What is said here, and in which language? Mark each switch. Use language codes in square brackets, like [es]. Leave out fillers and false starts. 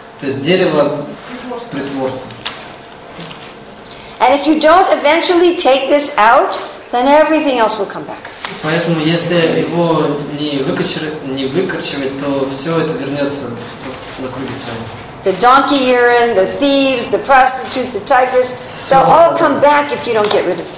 [ru] То есть дерево притворства. [en] And if you don't eventually take this out, then everything else will come back. [ru] Поэтому, если его не выкорчевать, то все это вернется на круги своя. [en] The donkey urine, the thieves, the prostitute, the tigress, they'll all come back if you don't get rid of it.